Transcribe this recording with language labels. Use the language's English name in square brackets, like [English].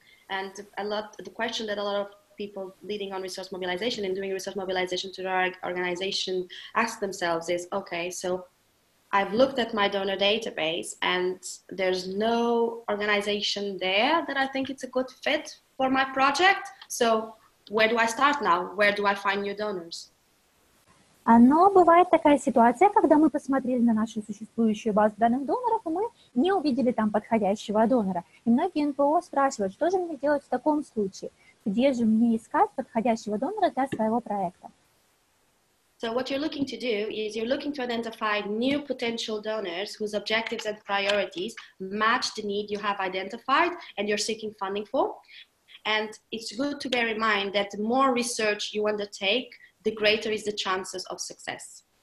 [English] And the question that a lot of people leading on resource mobilization and doing resource mobilization to their organization ask themselves is, okay, so I've looked at my donor database and there's no organization there that I think it's a good fit for my project. So where do I start now? Where do I find new donors? [Russian] Но бывает такая ситуация, когда мы посмотрели на нашу существующую базу данных доноров, и мы не увидели там подходящего донора. И многие НПО спрашивают, что же мне делать в таком случае? Где же мне искать подходящего донора для своего проекта? [English] So what you're looking to do is you're looking to identify new potential donors whose objectives and priorities match the need you have identified and you're seeking funding for. And it's good to bear in mind that the more research you undertake, the greater is the chances of success.